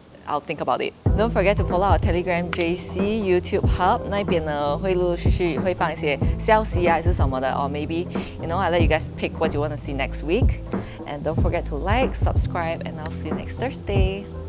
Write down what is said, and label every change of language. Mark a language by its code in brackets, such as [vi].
[en] I'll think about it. Don't forget to follow our Telegram JC YouTube Hub. [zh] 那边呢会陆陆续续会放一些消息啊，还是什么的。 [en] Or maybe, you know, I let you guys pick what you want to see next week. And don't forget to like, subscribe, and I'll see you next Thursday.